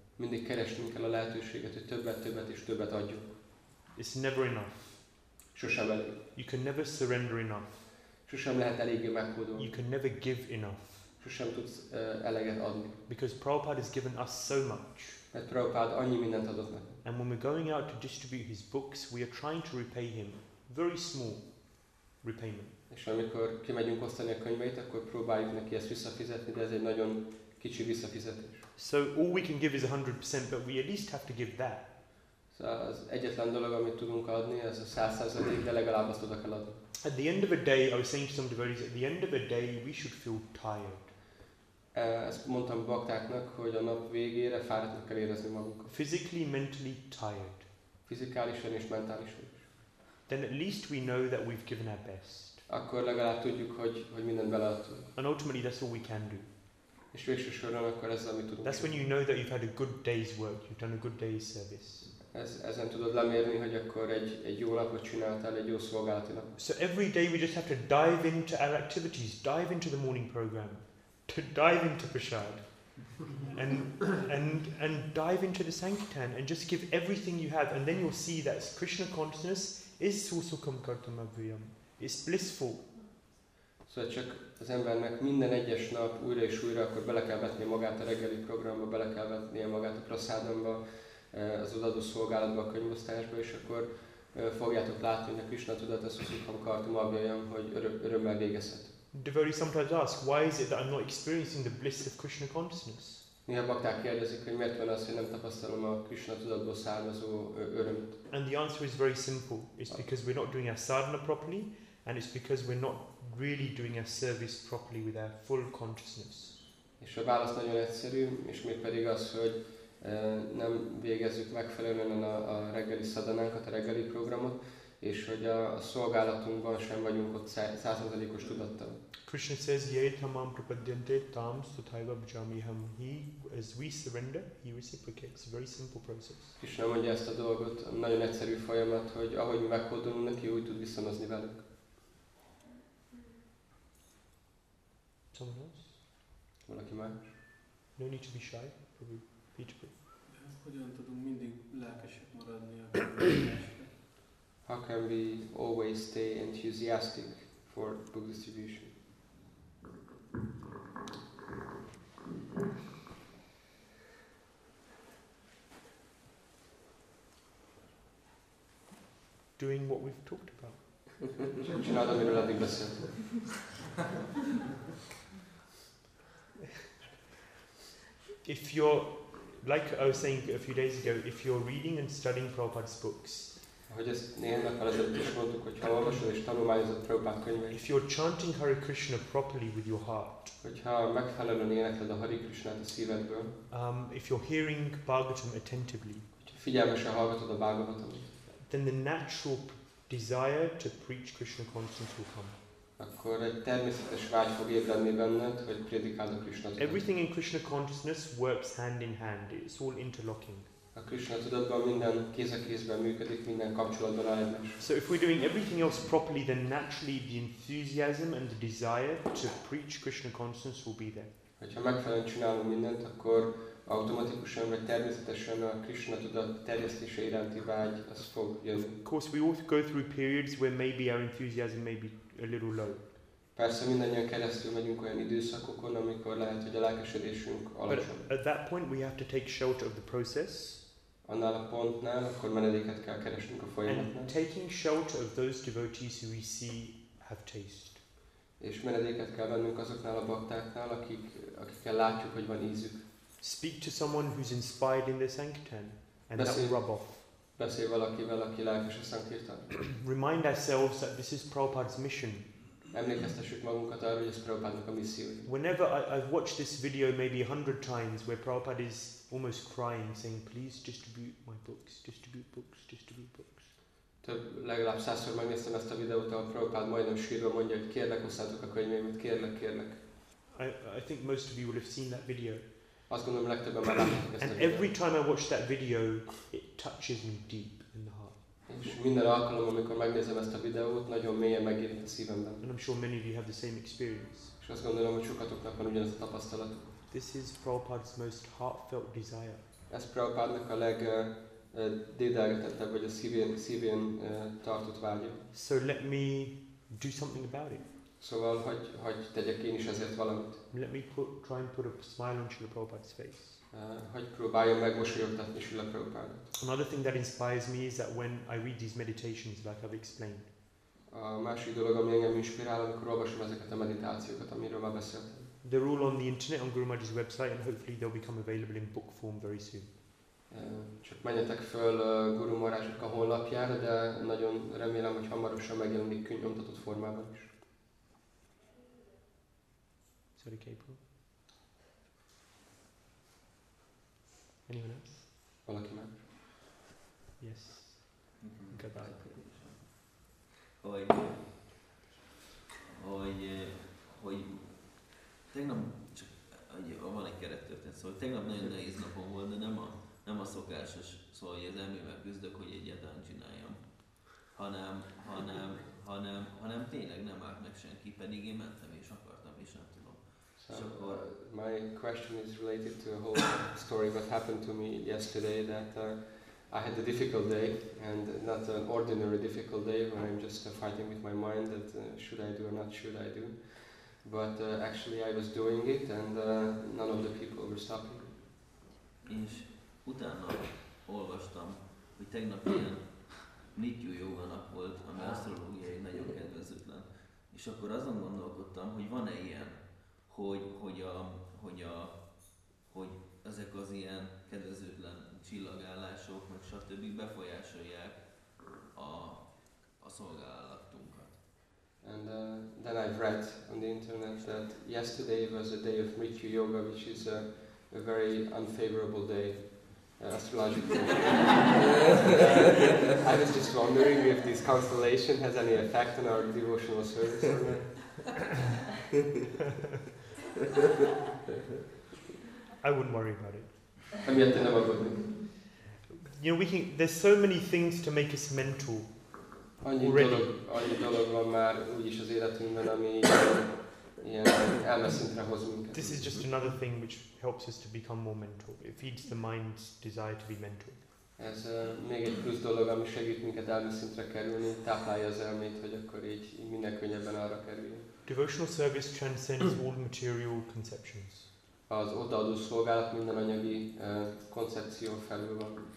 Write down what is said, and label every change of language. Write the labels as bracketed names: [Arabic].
[Hungarian] Mindig keresnünk kell a lehetőséget, hogy többet és többet adjuk. [English] It's never enough. [Hungarian] Sosem elég. [English] You can never surrender enough. [Hungarian] Sosem lehet eléggé meghódolni. [English] You can never give enough. [Hungarian] Sosem tudsz eleget adni. [English] Because Prabhupada has given us so much. [Hungarian] Mert Prabhupada annyi mindent adott nekünk. [English] And when we're going out to distribute his books, we are trying to repay him. Very small repayment. [Hungarian] És amikor kimegyünk osztani a könyveit, akkor próbáljuk neki ezt visszafizetni, de ez egy nagyon kicsi visszafizetés. [English] So all we can give is 100%, but we at least have to give that. [Hungarian] Szóval az egyetlen dolog, amit tudunk adni, az a 100%, de legalább azt oda kell adni. [English] At the end of a day, I was saying to some devotees, at the end of a day, we should feel tired. [Hungarian] Ezt mondtam baktáknak, hogy a nap végére fáradtnak kell érezni magunkat. [English] Physically, mentally tired. [Hungarian] Fizikálisan és mentálisan is. [English] Then at least we know that we've given our best. [Hungarian] Akkor legalább tudjuk, hogy mindent beleadtunk. [English] And ultimately, that's all we can do. [Hungarian] És végső soron akkor ez, amit tudunk. [English] That's when you know that you've had a good day's work, you've done a good day's service. [Hungarian] Ezen tudod lemérni, hogy akkor egy jó napot csináltál, egy jó szolgálati napot. [English] So every day we just have to dive into our activities, dive into the morning program, to dive into prasad, and dive into the sankirtan, and just give everything you have, and then you'll see that Krishna consciousness is [Sanskrit] susukam kartam abhiyam. [English] It's blissful. [Hungarian] Szóval csak az embernek minden egyes nap újra és újra, akkor bele kell vetnie magát a reggeli programba, bele kell vetnie magát a prasadamba, az odaadó szolgálatba, a könyvosztásba, és akkor fogjátok látni, hogy a Krishna tudat, az [Sanskrit] susukam kartam abhiyam, [Hungarian] hogy örömmel végezhet. [English] Devotees sometimes ask, why is it that I'm not experiencing the bliss of Krishna consciousness? [Hungarian] Néha bakták kérdezik, hogy miért van az, hogy nem tapasztalom a Krishna tudatból származó örömet. [English] And the answer is very simple. It's because we're not doing our sadhana properly, and it's because we're not really doing our service properly with our full consciousness. [Hungarian] És a válasz nagyon egyszerű, és még pedig az, hogy nem végezzük megfelelően a reggeli szadanánkat, a reggeli programot, és hogy a szolgálatunkban sem vagyunk ott 100%-os tudattal. [English] Krishna says, [Sanskrit] "Yai tamam prapadyante tam sutaiva bhajamiham." [English] He, as we surrender, he reciprocates. Very simple process. [Hungarian] Krishna mondja ezt a dolgot, nagyon egyszerű folyamat, hogy ahogy mi meghódolunk neki, úgy tud visszanozni velünk. [English] Someone else? [Hungarian] Valaki más? [English] No need to be shy, probably. Peter. [Hungarian] Hogyan tudunk mindig lelkesek maradni a [English] How can we always stay enthusiastic for book distribution? Doing what we've talked about. [Hungarian] Csinálod, amiről addig beszéltem. [English] If you're, like I was saying a few days ago, if you're reading and studying Prabhupada's books, [Hungarian] ahogy ezt néhány nap alatt is mondtuk, hogyha olvasod és tanulmányozod Prabhupád könyveit. [English] If you're chanting Hare Krishna properly with your heart. [Hungarian] Hogyha megfelelően énekled a Hare Krishnát a szívedből. [English] If you're hearing Bhagavatam attentively. [Hungarian] Hogyha figyelmesen hallgatod a Bhagavatam. [English] Then the natural desire to preach Krishna consciousness will come. [Hungarian] Akkor egy természetes vágy fog ébredni benned, hogy prédikáld a Krishna tudatot. [English] Everything in Krishna consciousness works hand in hand. It's all interlocking. [Hungarian] A Krishna tudatban minden kéz a kézben működik, minden kapcsolatban áll egymás. [English] So if we're doing everything else properly, then naturally the enthusiasm and the desire to preach Krishna consciousness will be there. [Hungarian] Hogyha megfelelően csinálunk mindent, akkor automatikusan vagy természetesen a Krishna tudat terjesztése iránti vágy az fog jönni. [English] Of course we all go through periods where maybe our enthusiasm may be a little low. [Hungarian] Persze mindannyian keresztül megyünk olyan időszakokon, amikor lehet, hogy a lelkesedésünk alacsony. [English] But at that point we have to take shelter of the process. [Hungarian] Annál a pontnál, akkor menedéket kell keresnünk a folyamatnak. [English] And taking shelter of those devotees who we see have taste. [Hungarian] És menedéket kell vennünk azoknál a baktáknál, akikkel látjuk, hogy van ízük. [English] Speak to someone who's inspired in the sankirtan, and that will rub off. [Hungarian] Beszélj valakivel, aki lelkes a sankirtan. [English] Remind ourselves that this is Prabhupada's mission. [Hungarian] Emlékeztessük magunkat arra, hogy ez Prabhupádnak a missziója. [English] Whenever I've watched this video maybe 100 times where Prabhupada is almost crying saying please distribute my books, distribute books, distribute books. [Hungarian] Több, legalább 100-szor megnéztem ezt a videót, ahol Prabhupád majdnem sírva mondja, hogy kérlek, osszátok a könyvémet, kérlek, kérlek. [English] I think most of you will have seen that video. [Hungarian] Azt gondolom, legtöbben már látjátok ezt a videót. [English] And every time I watch that video, it touches me deep in the heart. [Hungarian] És minden alkalom, amikor megnézem ezt a videót, nagyon mélyen megérint a szívemben. [English] And I'm sure many of you have the same experience. [Hungarian] És azt gondolom, hogy sokatoknak van ugyanaz a tapasztalat. [English] This is Prabhupada's most heartfelt desire. [Hungarian] Ez Prabhupádnak a legdédelgetettebb, vagy a szívén tartott vágya. [English] So let me do something about it. [Hungarian] Szóval, hogy tegyek én is ezért valamit. [English] Let me try and put a smile on Srila Prabhupada's face. [Hungarian] Hogy próbáljam megmosolyogtatni Srila Prabhupádot. [English] Another thing that inspires me is that when I read these meditations, like I've explained. [Hungarian] A másik dolog, ami engem inspirál, amikor olvasom ezeket a meditációkat, amiről már beszéltem. [English] They're all on the internet on Guru Maharaj's website and hopefully they'll become available in book form very soon. [Hungarian] Csak menjetek föl Guru Maharajnak a honlapjára, de nagyon remélem, hogy hamarosan megjelenik könyvnyomtatott formában is. [English] Sorry, Capel. Anyone else? [Hungarian] Valaki már. [English] Yes. Goodbye. [Hungarian] Hogy tegnap csak van egy kerettörténet, szóval tegnap nagyon nehéz napom volt, de nem a szokásos, szóval hogy az elmével küzdök, hogy egyáltalán csináljam, hanem tényleg nem állt meg senki, pedig én mentem és akartam és nem tudom. [English] So, my question is related to a whole story that happened to me yesterday, that I had a difficult day, and not an ordinary difficult day, where I'm just fighting with my mind that should I do or not should I do. But actually I was doing it and none of the people were stopping. [Hungarian] És utána olvastam, hogy tegnap ilyen Nityu Yoga nap volt, ami asztrológiai nagyon kedvezőtlen. És akkor azon gondolkodtam, hogy van-e ilyen, hogy ezek az ilyen kedvezőtlen csillagállások, meg stb. Befolyásolják a szolgálat. [English] And then I've read on the internet that yesterday was a day of Mrityu Yoga, which is a very unfavorable day, astrologically. I was just wondering if this constellation has any effect on our devotional service or not. I wouldn't worry about it. I'm yet to know about it. You know, we can, there's so many things to make us mental. [Hungarian] Annyi dolog van már úgyis az életünkben, ami ilyen elmeszintre hoz minket. [English] This is just another thing which helps us to become more mental. It feeds the mind's desire to be mental. [Hungarian] Ez még egy plusz dolog, ami segít minket elmeszintre kerülni, táplálja az elmét, hogy akkor így minden könnyebben arra kerüljön. [English] Devotional service transcends all material conceptions. [Hungarian] Az odaadó szolgálat minden anyagi koncepció felül van.